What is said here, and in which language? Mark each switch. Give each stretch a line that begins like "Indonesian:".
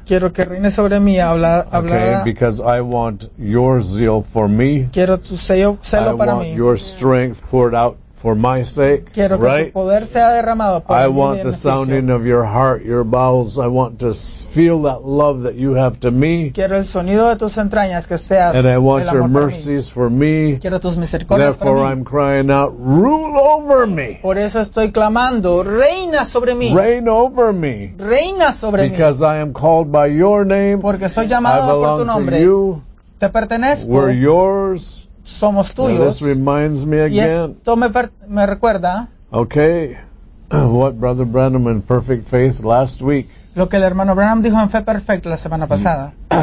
Spanish: Quiero que reines sobre mí. Habla.
English: Okay, because I want your zeal for me.
Spanish: Quiero tu celo para mí.
English: I want your strength poured out for my sake,
Spanish: quiero que
English: right?
Spanish: Tu poder sea derramado por
English: I want the sounding of your heart, your bowels. I want to feel that love that you have to me.
Spanish: Quiero el sonido de tus entrañas que sea.
English: And I want your mercies for me.
Spanish: Quiero tus misericordias.
English: Therefore,
Spanish: para mí.
English: I'm crying out, rule over me.
Spanish: Por eso estoy clamando, reina sobre mí.
English: Reign over me.
Spanish: Reina sobre
English: because
Spanish: mí.
English: Because I am called by your name.
Spanish: Porque soy llamado
English: I belong
Spanish: por tu nombre.
English: To you.
Spanish: Te pertenezco.
English: We're yours.
Spanish: Somos tuyos.
English: This reminds me again.
Spanish: Y esto me recuerda.
English: Okay. What Brother Branham in perfect faith last week.
Spanish: Lo que el hermano Branham dijo en fe perfecta la semana pasada.